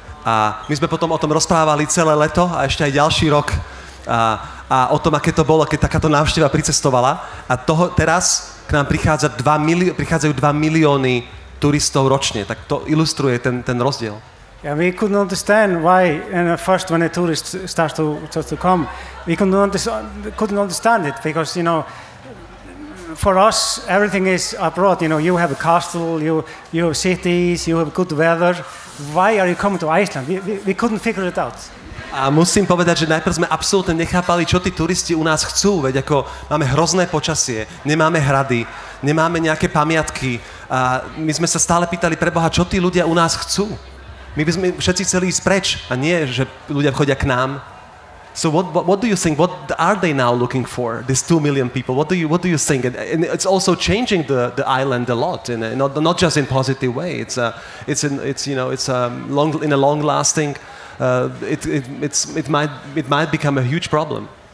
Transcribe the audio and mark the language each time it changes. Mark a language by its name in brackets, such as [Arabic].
[Slovak] A my sme potom o tom rozprávali celé leto a ešte aj ďalší rok a o tom, aké to bolo, keď takáto návšteva pricestovala. A toho teraz k nám prichádza 2 milióny, prichádzajú 2 milióny turistov ročne, tak to ilustruje ten rozdiel. [English] Yeah, we couldn't understand why, and at first when the tourists start to come, we couldn't understand it, because, you know, for us, everything is abroad, you know, you have a castle, you have cities, you have good weather, why are you coming to Iceland? We couldn't figure it out. [Slovak] A musím povedať, že najprv sme absolútne nechápali, čo tí turisti u nás chcú, veď ako máme hrozné počasie, nemáme hrady, nemáme nejaké pamiatky a my sme sa stále pýtali pre Boha, čo tí ľudia u nás chcú. My by sme všetci chceli ísť preč a nie, že ľudia chodia k nám. [English] So what do you think, what are they now looking for, these 2 million people? What do you think? And it's also changing the island a lot, in a, not just in positive way. It's long lasting. It might become a huge problem.